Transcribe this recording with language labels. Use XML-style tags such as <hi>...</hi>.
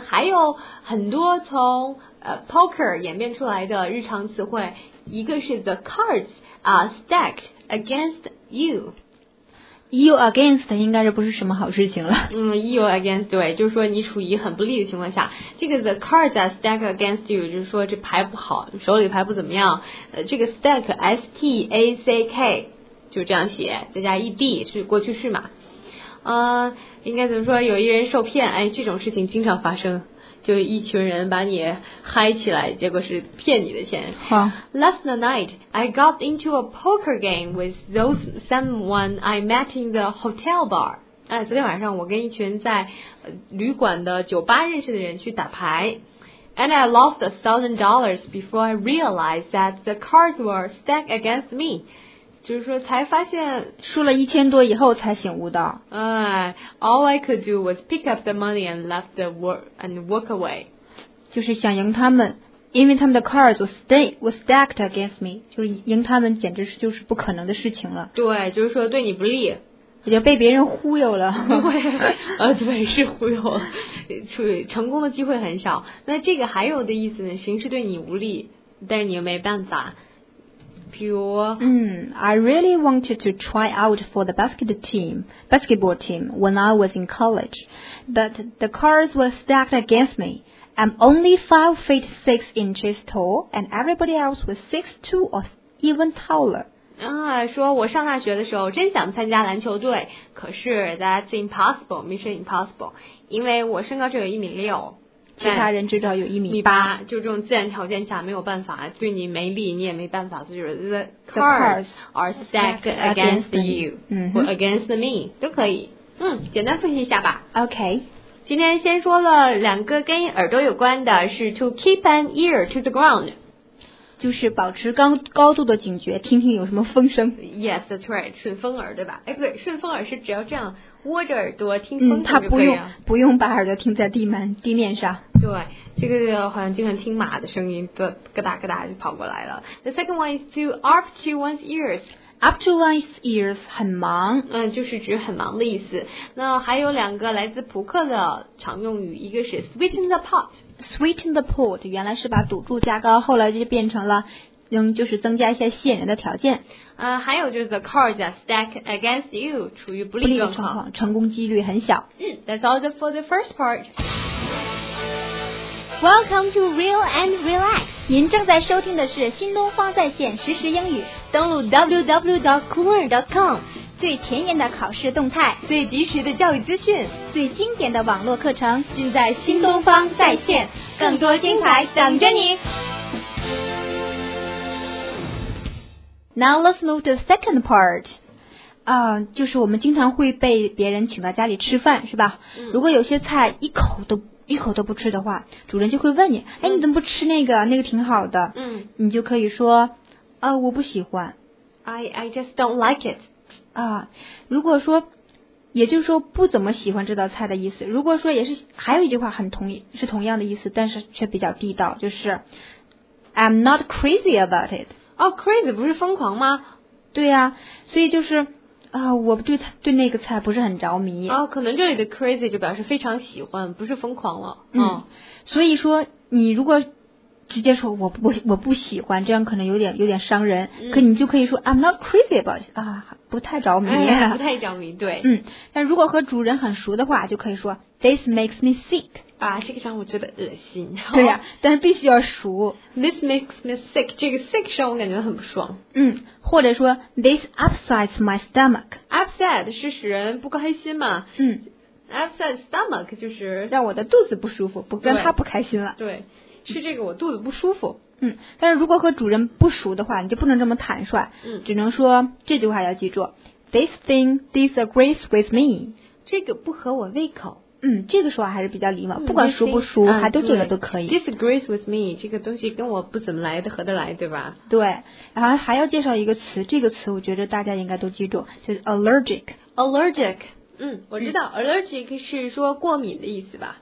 <zh>还有很多从poker 演变出来的日常词汇，一个是</zh> <en>the cards。 Stacked against you</en> <zh>against 应该是不是什么好事情了。嗯 ，</zh> <en>you against</en> <zh>对，就是说你处于很不利的情况下。这个</zh> <en>the cards are stacked against you，</en> <zh>就是说这牌不好，手里牌不怎么样。这个 stack S T A C K 就这样写，再加 ed 是过去式嘛。应该怎么说？有一人受骗，哎，这种事情经常发生。就一群人把你嗨起来，结果是骗你的钱。</zh> <en>Last night, I got into a poker game with those someone I met in the hotel bar.</en> <zh>哎，昨天晚上我跟一群在旅馆的酒吧认识的人去打牌。</zh> <en>And I lost $1,000 before I realized that the cards were stacked against me.</en> <zh>就是说才发现输了1000多以后才醒悟到。</zh> <en>All I could do was pick up the money and left the work and walk away.</en> <zh>就是想赢他们，因为他们的</zh> <en>cards were stacked against me.</en> <zh>就是赢他们简直是就是不可能的事情了。对，就是说对你不利。也就被别人忽悠了。对，对，是忽悠了。成功的机会很少。那这个还有的意思呢，形势对你无利，但是你又没办法。</zh> <en>I really wanted to try out for the basketball team when I was in college, but the cards were stacked against me. I'm only 5'6" tall, and everybody else was 6'2" or even taller.</en> <zh>说我上大学的时候真想参加篮球队，可是</zh> <en>that's impossible, mission impossible,</en> <zh>因为我身高只有1.6米。其他人至少有1.8米，就这种自然条件下没有办法，对你没利，你也没办法，就是</zh> <en>the cards are stacked against you or against me</en> <zh>都可以。嗯，简单复习一下吧。</zh> <en>OK，</en> <zh>今天先说了两个跟耳朵有关的，是</zh> <en>to keep an ear to the ground，</en> <zh>就是保持高度的警觉，听听有什么风声。</zh> <en>Yes, that's right，</en> <zh>顺风耳对吧？哎，不对，顺风耳是只要这样窝着耳朵听风声就可以了。嗯，不用把耳朵听在地面上。对，这个好像经常听马的声音，咯咯哒咯哒就跑过来了。</zh> <en>The second one is to up to one's ears. Up to one's ears</en> <zh>很忙。嗯，就是指很忙的意思。那还有两个来自扑克的常用语，一个是</zh> <en>sweeten the pot。 Sweeten the pot</en> <zh>原来是把赌注加高，后来就变成了。就是增加一些吸引人的条件。还有就是</zh> <en>the cards are stacked against you，</en> <zh>处于不利的状况，成功几率很小。</zh> <en>That's all for the first part. Welcome to Real and Relax.</en> <zh>您正在收听的是新东方在线实时英语，登录 www.cooler.com，最前沿的考试动态，最及时的教育资讯，最经典的网络课程，尽在新东方在线，更多精彩等着你。</zh> <en>Now let's move to the second part.</en> <zh>就是我们经常会被别人请到家里吃饭，是吧？嗯，如果有些菜一口都不吃的话，主人就会问你，哎，你怎么不吃那个？那个挺好的。嗯，你就可以说，我不喜欢。</zh> <en>I just don't like it.</en> <zh>如果说，也就是说不怎么喜欢这道菜的意思。如果说也是，还有一句话是同样的意思，但是却比较地道，就是</zh> <en>I'm not crazy about it.</en> <zh>crazy 不是疯狂吗？对呀，所以就是我对那个菜不是很着迷。可能这里的 crazy 就表示非常喜欢，不是疯狂了。所以说你如果直接说我不喜欢，这样可能有点伤人。可你就可以说</zh> <en>I'm not crazy about it,</en> <zh>啊，不太着迷，哎，不太着迷，对。嗯，但如果和主人很熟的话，就可以说</zh> <en>This makes me sick。</en> <zh>啊，这个让我觉得恶心。对呀，但是必须要熟。</zh> <en>This makes me sick，</en> <zh>这个 sick 让我感觉很不爽。嗯，或者说</zh> <en>This upsets my stomach。</en> <zh>Upset 是使人不高兴嘛？嗯。</zh> <en>Upset stomach</en> <zh>就是让我的肚子不舒服，不跟他不开心了。对。对是这个我肚子不舒服。嗯，但是如果和主人不熟的话，你就不能这么坦率。嗯，只能说这句话要记住 ，</zh> <en>This thing disagrees with me。</en> <zh>这个不合我胃口。嗯，这个说话还是比较礼貌，嗯，不管熟不熟，</zh> <en>thing,</en> <zh>还都觉得都可以。啊，</zh> <en>disagrees with me，</en> <zh>这个东西跟我不怎么来的合得来，对吧？对，然后还要介绍一个词，这个词我觉得大家应该都记住，就是 allergic。 allergic， 嗯，我知道，嗯，allergic 是说过敏的意思吧？</zh>